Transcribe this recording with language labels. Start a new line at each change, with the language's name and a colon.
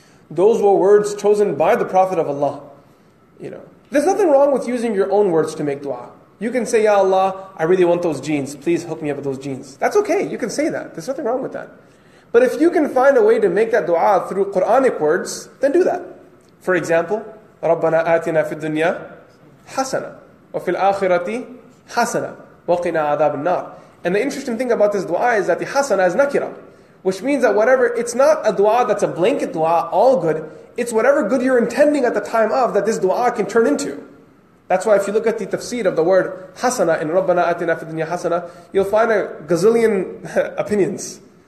English: Those were words chosen by the Prophet of Allah. You know, there's nothing wrong with using your own words to make du'a. You can say, Ya Allah, I really want those jeans. Please hook me up with those jeans. That's okay. You can say that. There's nothing wrong with that. But if you can find a way to make that dua through Quranic words, then do that. For example,
Arabic: رَبَّنَا آتِنَا فِي الدُّنْيَا حَسَنَا وَفِي الْآخِرَةِ حَسَنَا وَقِنَا عَذَابَ النَّارِ.
English: And the interesting thing about this dua is that the hasana is nakira, which means that whatever, it's not a dua that's a blanket dua, all good. It's whatever good you're intending at the time of that this dua can turn into. That's why if you look at the tafsir of the word hasana in
Arabic: رَبَّنَا آتِنَا فِي الدُّنْيَا حَسَنَا,
English: you'll find a gazillion opinions.